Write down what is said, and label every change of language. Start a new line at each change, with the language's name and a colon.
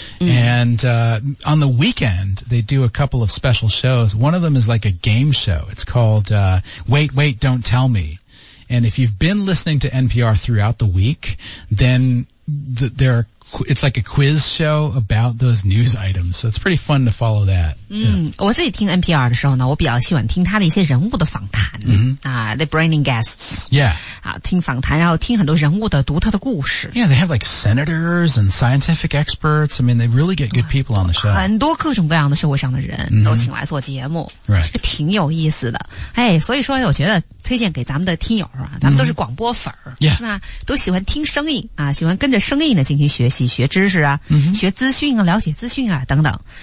English: And, on the weekend, they do a couple of special shows. One of them is like a game show. It's called, Wait, Wait, Don't Tell Me. And if you've been listening to NPR throughout the week, then there are it's like a quiz show about those news items. So it's pretty fun to follow that.
Chinese: 嗯，我自己听 NPR 的时候呢，我比较喜欢听他的一些人物的访谈。
English: They bring in guests. Yeah.
Chinese: 啊，听访谈，然后听很多人物的独特的故事。
English: Yeah, they have like senators and scientific experts. I mean, they really get good people on the show.
Chinese: 很多各种各样的社会上的人都请来做节目。
English: Right.
Chinese: 这个挺有意思的。哎，所以说我觉得推荐给咱们的听友啊，咱们都是广播粉儿，
English: yeah.
Chinese: 是吧？都喜欢听声音啊，喜欢跟着声音呢进行学习、学知识啊，学资讯啊、了解资讯啊等等。